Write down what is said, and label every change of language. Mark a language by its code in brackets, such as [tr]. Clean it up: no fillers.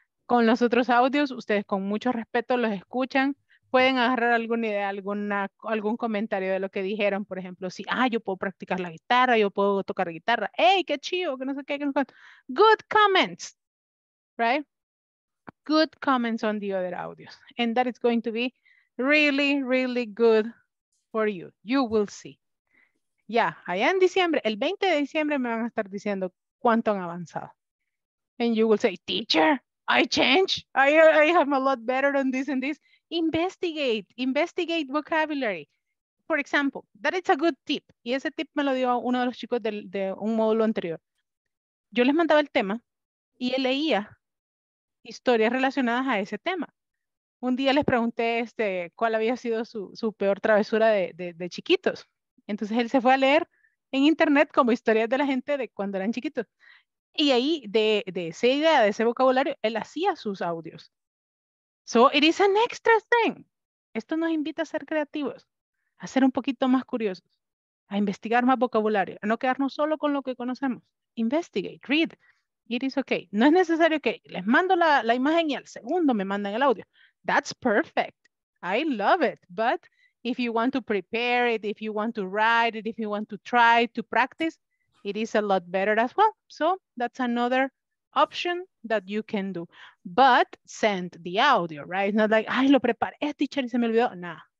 [es] Con los otros audios, ustedes con mucho respeto los escuchan, pueden agarrar alguna idea, algún comentario de lo que dijeron, por ejemplo, si, yo puedo practicar la guitarra, yo puedo tocar guitarra, hey, qué chido, que no sé qué, [en] good comments, right? Good comments on the other audios, and that is going to be really, really good for you. You will see. [es] Ya, allá en diciembre, el 20 de diciembre me van a estar diciendo cuánto han avanzado. [en] And you will say, teacher, I change. I am a lot better on this and this. Investigate vocabulary. For example, that is a good tip. [es] Y ese tip me lo dio uno de los chicos de un módulo anterior. Yo les mandaba el tema y él leía historias relacionadas a ese tema. Un día les pregunté cuál había sido su peor travesura de chiquitos. Entonces él se fue a leer en internet como historias de la gente de cuando eran chiquitos. Y ahí, de esa idea, de ese vocabulario, él hacía sus audios. [en] So it is an extra thing. [es] Esto nos invita a ser creativos, a ser un poquito más curiosos, a investigar más vocabulario, a no quedarnos solo con lo que conocemos. [en] Investigate, read. It is okay. [es] No es necesario que les mando la imagen y al segundo me mandan el audio. [en] That's perfect. I love it. But if you want to prepare it, if you want to write it, if you want to try to practice, it is a lot better as well. So that's another option that you can do. But send the audio, right? Not like, [es] lo preparé, teacher, y se me olvidó. [en] Nah.